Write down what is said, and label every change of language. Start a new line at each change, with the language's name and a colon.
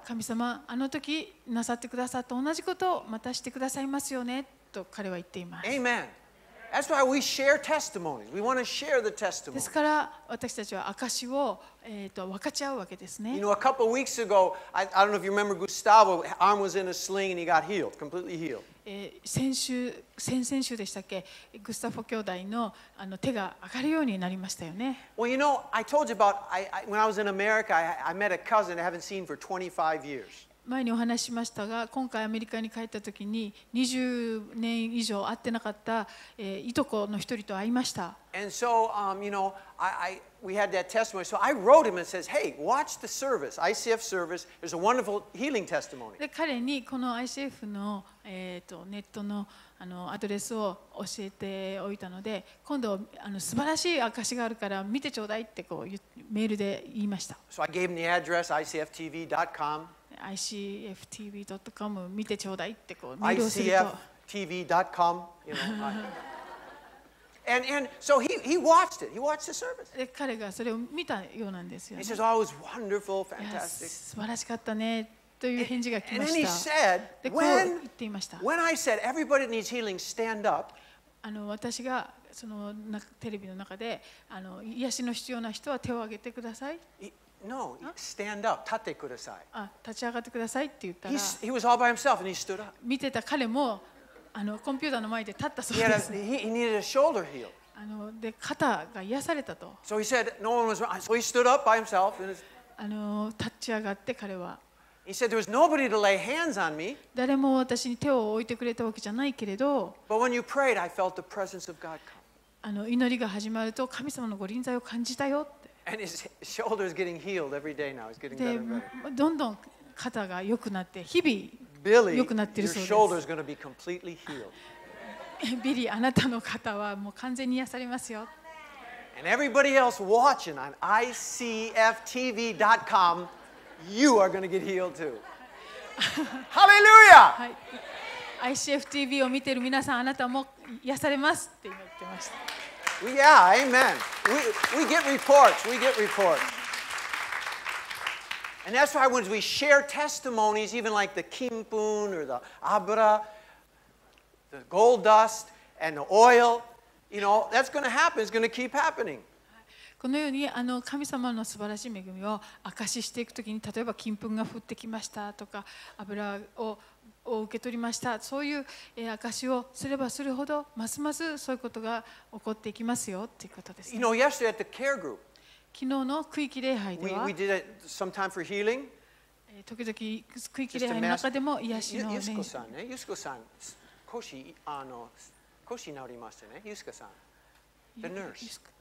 Japanese: 神様、あの時なさってくださった同じことをまたしてくださいますよねと彼は言っています。
English: Amen. That's why we share testimony. We want to share the testimony.
Japanese: ですから私たちは証を分かち合うわけですね。
English: You know, a couple of weeks ago, I don't know if you remember Gustavo, arm was in a sling and he got healed, completely healed.
Japanese: 先々週でしたっけ、グスタフォ兄弟 の手が上がるようになりましたよね。
English: Well, you know, I told you about when I was in America, I met a cousin I haven't seen for 25 years.
Japanese: 前にお話しましたが、今回アメリカに帰った時に20年以上会ってなかった、いとこの一人と会いました。
English: And so, you know, we had that testimony. So I wrote him and says, "Hey, watch the service, ICF service. There's a wonderful healing testimony."
Japanese: で彼にこの ICF のネットのアドレスを教えておいたので、今度素晴らしい証があるから見てちょうだいってこうメールで言いました。
English: So I gave him the address ICFTV.com
Japanese: ICFTV.com 見てちょうだいってこうメールをすると
English: ICFTV.com And so he watched it. He watched the service.
Japanese: で彼がそれを見たようなんですよね。
English: He says, "Oh, it was wonderful, fantastic."
Japanese: 素晴らしかったねという返事が来ました。
English: And then he said, "When I said everybody needs healing, stand up."
Japanese: あの私がそのテレビの中で癒しの必要な人は手を挙げてください。
English: No, stand up.
Japanese: 立ってください。あ、立ち上がってくださいって言ったら。
English: He was all by himself and he stood up.
Japanese: 見てた彼もコンピューターの前で立ったそうです。
English: he needed a shoulder heal.
Japanese: で肩が癒されたと。
English: So he said no one was wrong. So he stood up by himself.
Japanese: 立ち上がって彼は。
English: He said there was nobody to lay hands on me.
Japanese: 誰も私に手を置いてくれたわけじゃないけれど。
English: But when you prayed, I felt the presence of God come.
Japanese: 祈りが始まると神様のご臨在を感じたよ。
English: And his shoulder is getting healed every day now. He's getting better and better.
Japanese: どんどん肩が良くなって日々良くなっているそうです。
English: Your shoulder is going to be completely healed.
Japanese: Billy, あなたの肩はもう完全に癒されますよ。
English: And everybody else watching on ICFTV.com, you are going to get healed too. Hallelujah!
Japanese: ICFTV を見ている皆さん、あなたも癒されますって言ってました。
English: Yeah, amen. We get reports. We get reports. And that's why when we share testimonies, even like the kimpun or the abra, the gold dust and the oil, you know, that's going to happen. It's going to keep happening.
Japanese: このように神様の素晴らしい恵みを証ししていくときに、例えば金粉が降ってきましたとか、油を受け取りました、そういう証しをすればするほどますますそういうことが起こっていきますよということですね。
English: You know, yesterday at the care group,
Japanese: 昨日の区域礼拝では、
English: we did some time for healing.
Japanese: 時々区域礼拝の中でも癒しの練習。ユスコさんね、ユスコさん腰治りましたね。
English: ユスコさん the nurse.